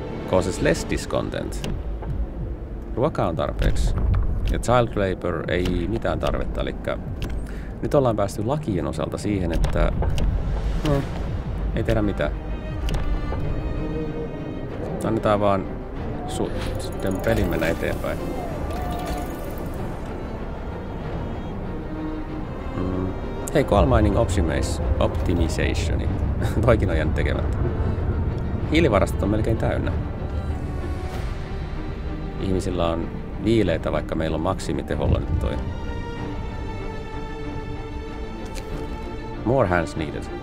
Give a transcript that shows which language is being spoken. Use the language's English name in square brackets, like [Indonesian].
[English] causes less discontent. [Finnish] Ruoka on tarpeeksi. Ja child labor ei mitään tarvetta, elikkä... Nyt ollaan päästy lakien osalta siihen, että... No, ei tehdä mitään. Annetaan vaan... Sitten peli mennä eteenpäin. Hei, [English] coal mining optimization. [Finnish] Toikin on jäänyt tekemättä. Hiilivarastot on melkein täynnä. Ihmisillä on viileitä, vaikka meillä on maksimiteholla nyt toi. [English] More hands needed.